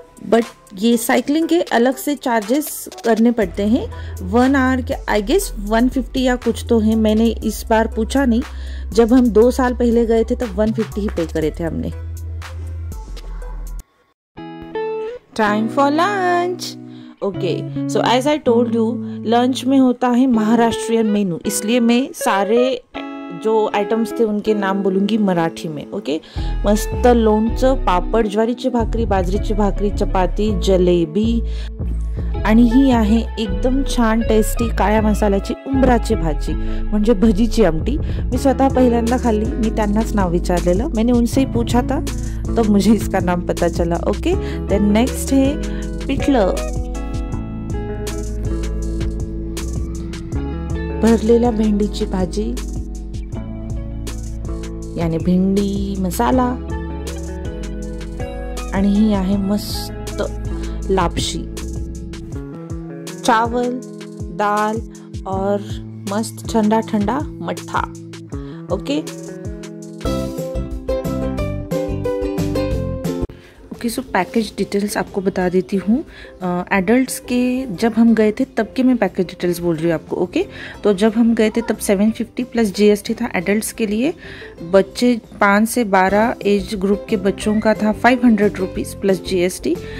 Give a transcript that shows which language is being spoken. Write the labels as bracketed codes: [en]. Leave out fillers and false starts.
[hi] But ये cycling के अलग से चार्जेस करने पड़ते हैं, 1 आवर के आई गेस 150 या कुछ तो है, मैंने इस बार पूछा नहीं, जब हम 2 साल पहले गए थे तब 150 ही पे करे थे हमने। [en] Time for lunch. [hi] Okay, as I told you, lunch में होता है महाराष्ट्रियन मेनू, इसलिए मैं सारे जो आइटम्स थे उनके नाम बोलूँगी मराठी में। [mr] ओके, मस्त लोणचं, पापड, ज्वारीची भाकरी, बाजरीची भाकरी, चपाती, जलेबी आणि ही आहे एकदम छान टेस्टी काळ्या मसाल्याची उंबराची भाजी, म्हणजे भजीची आमटी। मी स्वतः पहिल्यांदा खाल्ली, मी त्यांनाच नाव विचारलेलं, [hi] मैंने उनसे ही पूछा था तो मुझे इसका नाम पता चला। [mr] ओके, देन नेक्स्ट है पिठलं, भरलेल्या भेंडीची भाजी, यानी भिंडी मसाला, आणि ही आहे मस्त लापशी, [hi] चावल दाल और मस्त ठंडा ठंडा मठ्ठा। ओके ओके, सो पैकेज डिटेल्स आपको बता देती हूँ। एडल्ट्स के जब हम गए थे तब के मैं पैकेज डिटेल्स बोल रही हूँ आपको। ओके तो जब हम गए थे तब 750 प्लस GST था एडल्ट्स के लिए, बच्चे 5 से 12 एज ग्रुप के बच्चों का था 500 रुपीज़ प्लस GST।